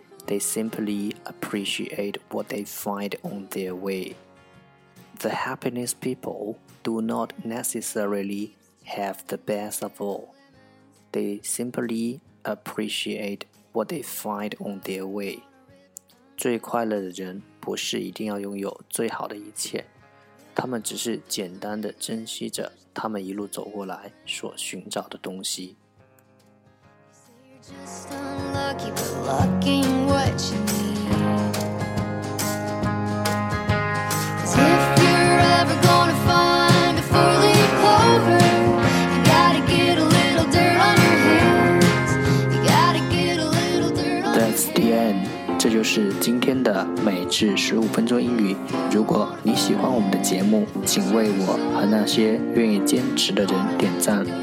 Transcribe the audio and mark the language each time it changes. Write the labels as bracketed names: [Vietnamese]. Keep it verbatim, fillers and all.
[English] They simply appreciate what they find on their way. The happiness people do not necessarily have the best of all. They simply appreciate what they find on their way. [Chinese] 最快乐的人不是一定要拥有最好的一切，他们只是简单地珍惜着他们一路走过来所寻找的东西。 [English] Just unlucky, but lucky in what you need. 'Cause if you're ever gonna find a four-leaf clover, you gotta get a little dirt on your hands. You gotta get a little dirt on your hands. That's the end. [Chinese] 这就是今天的每日十五分钟英语。如果你喜欢我们的节目，请为我和那些愿意坚持的人点赞。